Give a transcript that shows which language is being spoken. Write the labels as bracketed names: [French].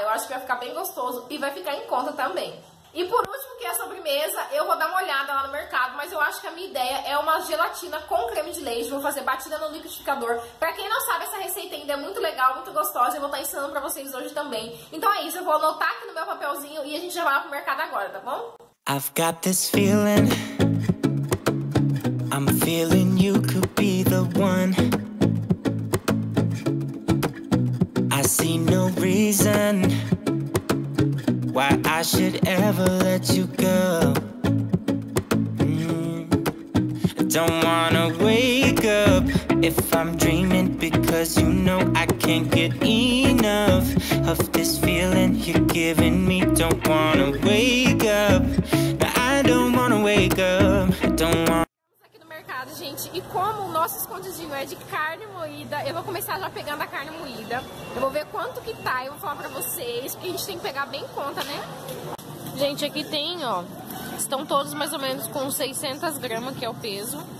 [Portuguese] Eu acho que vai ficar bem gostoso e vai ficar em conta também. E por último, que é a sobremesa, eu vou dar uma olhada lá no mercado, mas eu acho que a minha ideia é uma gelatina com creme de leite. Vou fazer batida no liquidificador. Pra quem não sabe, essa receita ainda é muito legal, muito gostosa. Eu vou estar ensinando pra vocês hoje também. Então é isso, eu vou anotar aqui no meu papelzinho e a gente já vai pro mercado agora, tá bom? [English] I've got this feeling... I'm feeling you could be the one. I see no reason why I should ever let you go. Don't wanna wake up if I'm dreaming, because you know I can't get enough of this feeling you're giving me. Don't wanna wake up, no, I don't wanna wake up. Don't wanna. [Portuguese] Gente, e como o nosso escondidinho é de carne moída, eu vou começar já pegando a carne moída. Eu vou ver quanto que tá e vou falar pra vocês, porque a gente tem que pegar bem conta, né? Gente, aqui tem, ó, estão todos mais ou menos com 600 gramas, que é o peso.